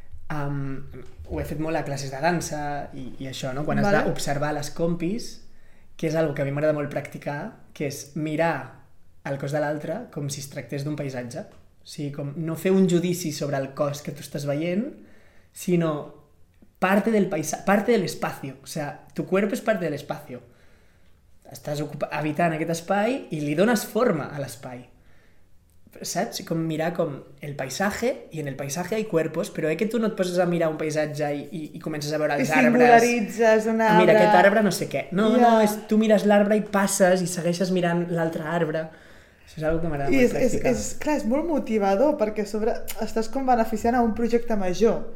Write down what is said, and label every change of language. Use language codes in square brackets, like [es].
[ca] ho he fet molt a classes de dansa i això, no? Quan, vale, has d'observar les compis, que és algo que a mi m'agrada molt practicar, que és mirar el cos de l'altre com si es tractés d'un paisatge. O sigui, com no fer un judici sobre el cos que tu estàs veient, sinó... [es] parte del paisaje, parte del espacio, o sea, tu cuerpo es parte del espacio, estás habitando [ca] aquest espai [es] y [ca] li dones forma a l'espai, saps? Com mirar com [es] el paisaje, y en el paisaje hay cuerpos, [ca] però és que tu no et poses a mirar un paisatge i comences a veure els arbres i singularitzes un arbre, mira aquest arbre no sé què, no, yeah. No, és, tu mires l'arbre i passes i segueixes mirant l'altre arbre. Això és una cosa que m'agrada molt practicar. És, clar, és molt motivador, perquè sobre estàs com beneficiant a un projecte major,